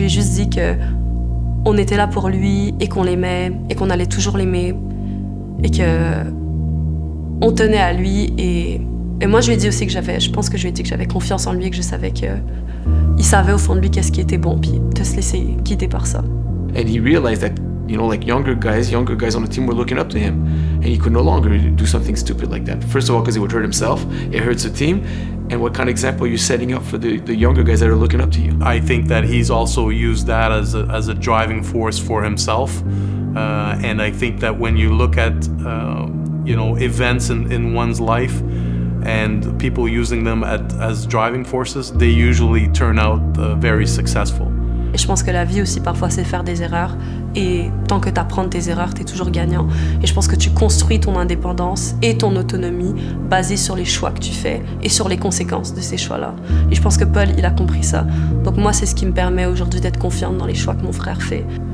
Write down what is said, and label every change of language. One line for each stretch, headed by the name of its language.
French: Je lui ai juste dit qu'on était là pour lui et qu'on l'aimait et qu'on allait toujours l'aimer. Et qu'on tenait à lui. Et moi, je lui ai dit aussi que j'avais, je pense que je lui ai dit que j'avais confiance en lui et que je savais qu'il savait au fond de lui qu'est-ce qui était bon. Puis de se laisser guider par ça. Et il a réalisé que...
English: You know, like younger guys on the team were looking up to him, and he could no longer do something stupid like that. First of all, because it would hurt himself, it hurts the team, and what kind of example are you setting up for the younger guys that are looking up to you? I think that he's also used that as a driving force for himself, and I think that when you look at you know, events in one's life and people using them as driving forces, they usually turn out very successful.
French: Et je pense que la vie aussi parfois c'est faire des erreurs. Et tant que tu apprends tes erreurs, tu es toujours gagnant. Et je pense que tu construis ton indépendance et ton autonomie basée sur les choix que tu fais et sur les conséquences de ces choix-là. Et je pense que Paul, il a compris ça. Donc moi, c'est ce qui me permet aujourd'hui d'être confiante dans les choix que mon frère fait.